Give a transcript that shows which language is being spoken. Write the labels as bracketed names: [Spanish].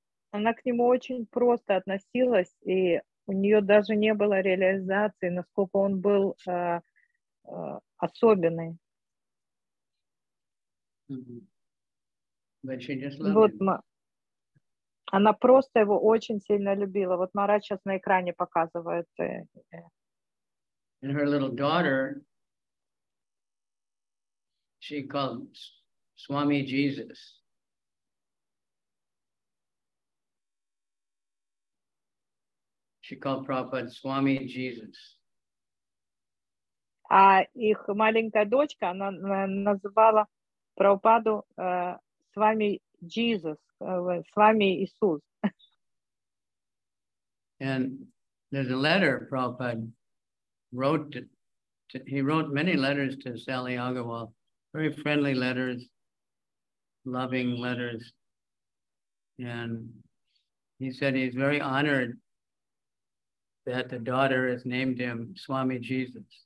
[Russian] Она к нему очень просто относилась, и у нее даже не было реализации, насколько он был особенный. Mm-hmm. Вот она просто его очень сильно любила. Вот Мара сейчас на экране показывает. [English] And her little daughter, she called Swami Jesus. She called Prabhupada Swami Jesus. [Russian] А их маленькая дочка, она называла Прабхупаду Свами Jesus, Свами Иисус. [English] And there's a letter Prabhupada wrote he wrote many letters to Sally Agarwal, very friendly letters, loving letters. And he said he's very honored that the daughter has named him Swami Jesus.